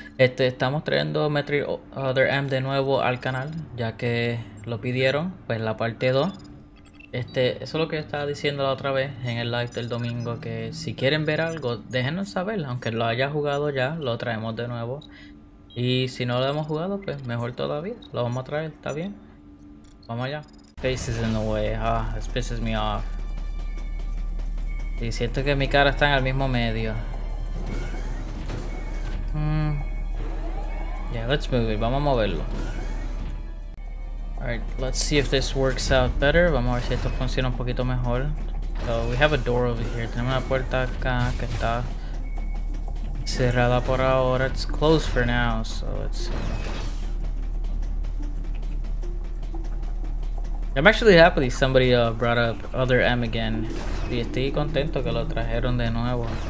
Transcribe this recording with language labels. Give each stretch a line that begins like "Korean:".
Spanish: Estamos trayendo Metroid Other M de nuevo al canal, ya que lo pidieron, pues la parte 2. Eso es lo que estaba diciendo la otra vez en el live del domingo, que si quieren ver algo, déjenos saber, aunque lo haya jugado ya, lo traemos de nuevo. Y si no lo hemos jugado, pues mejor todavía, lo vamos a traer, ¿está bien? Vamos allá.
English: Faces in the way, this pisses me off.
Spanish: Y siento que mi cara está en el mismo medio.
English: Yeah, let's move it.
Spanish: Vamos a moverlo.
English: Alright, let's see if this works out better.
Spanish: Vamos a ver si esto funciona un poquito mejor.
English: So, we have a door over here.
Spanish: Tenemos una puerta acá que está cerrada por ahora.
English: It's closed for now, so let's see. I'm actually happy that somebody brought up Other M again.
Spanish: Y estoy contento que lo trajeron de nuevo.